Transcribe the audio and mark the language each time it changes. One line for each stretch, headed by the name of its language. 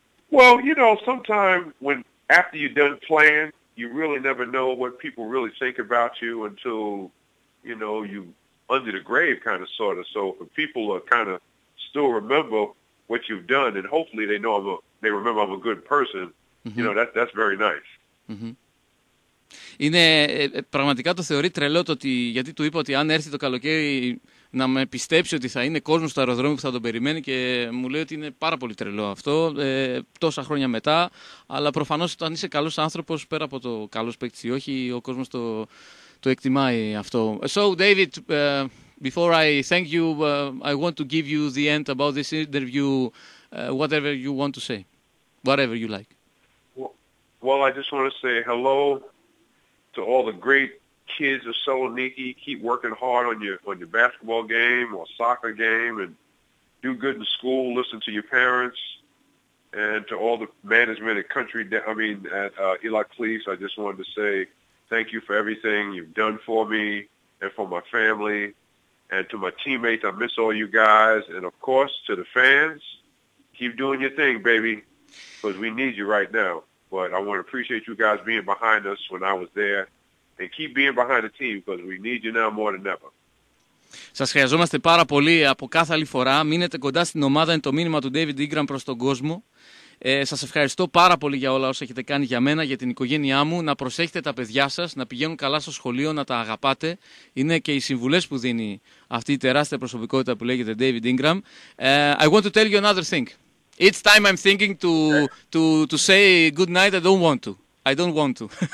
English: Well, you know, sometimes when after you're done playing, you really never know what people really think about you until, you know, you under the grave kind of sort of. So people are kind of still remember what you've done, and hopefully they know they remember I'm a good person. Mm-hmm. You know, that's very nice. Mm-hmm.
Greek: Είναι πραγματικά το θεωρεί τρελό το ότι, γιατί του είπα ότι αν έρθει το καλοκαίρι να με πιστέψει ότι θα είναι κόσμο στο αεροδρόμιο που θα τον περιμένει και μου λέει ότι είναι πάρα πολύ τρελό αυτό τόσα χρόνια μετά. Αλλά προφανώς όταν είσαι καλός άνθρωπος, πέρα από το καλός παίκτης ή όχι, ο κόσμος το... To ectimai afto.
English: So, David, before I thank you, I want to give you the end about this interview, whatever you want to say, whatever you like. Well, I just want to say hello to all the great kids are so sneaky. Keep working hard on your basketball game or soccer game, and do good in school. Listen to your parents and to all the management at Eli Cleese. I just wanted to say thank you for everything you've done for me and for my family. And to my teammates, I miss all you guys. And, of course, to the fans, keep doing your thing, baby, because we need you right now. But I want to appreciate you guys being behind us when I was there. And keep being behind the team, because we need you now more than ever.
Greek: Σας χρειαζόμαστε πάρα πολύ από κάθε άλλη φορά. Μείνετε κοντά στην ομάδα, είναι το μήνυμα του Ντέιβιντ Ινγκραμ προς τον κόσμο. Σας ευχαριστώ πάρα πολύ για όλα όσα έχετε κάνει για μένα, για την οικογένειά μου. Να προσέχετε τα παιδιά σας, να πηγαίνουν καλά στο σχολείο, να τα αγαπάτε. Είναι και οι συμβουλές που δίνει αυτή η τεράστια προσωπικότητα που λέγεται Ντέιβιντ Ινγκραμ.
English: I want to tell you another thing. Each time I'm thinking to say good night, I don't want to.